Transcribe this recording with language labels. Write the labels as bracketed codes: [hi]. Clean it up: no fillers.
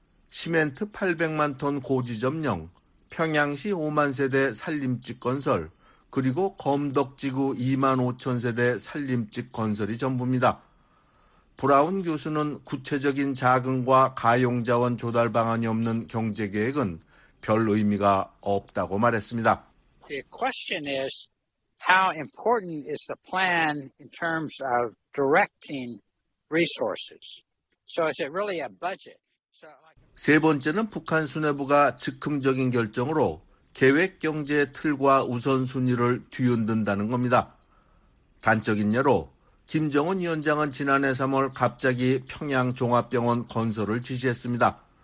[ko] 시멘트 800만 톤 고지 점령, 평양시 5만 세대 산림집 건설, 그리고 검덕지구 2만 5천 세대 산림집 건설이 전부입니다. 브라운 교수는 구체적인 자금과 가용자원 조달 방안이 없는 경제계획은 별 의미가 없다고 말했습니다. [en] The question is, how important is the plan in terms of directing resources? So is it really a budget? [ko] 세 번째는 북한 수뇌부가 즉흥적인 결정으로 계획 경제의 틀과 우선순위를 뒤흔든다는 겁니다. 단적인 예로 김정은 위원장은 지난해 3월 갑자기 평양종합병원 건설을 지시했습니다.